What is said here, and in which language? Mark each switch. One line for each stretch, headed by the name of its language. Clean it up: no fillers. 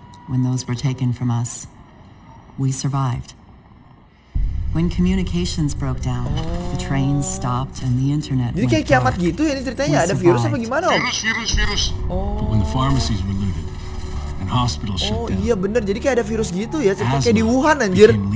English: When those were taken from us, we survived. When communications broke down, the train stopped and the internet went dark.
Indonesian: Jadi kayak kiamat gitu ya ini ceritanya, ada virus apa gimana om? Virus. Oh.
English: But when the pharmacies were looted, and hospitals shut down.
Indonesian: Oh iya bener, jadi kayak ada virus gitu ya, kayak di Wuhan anjir.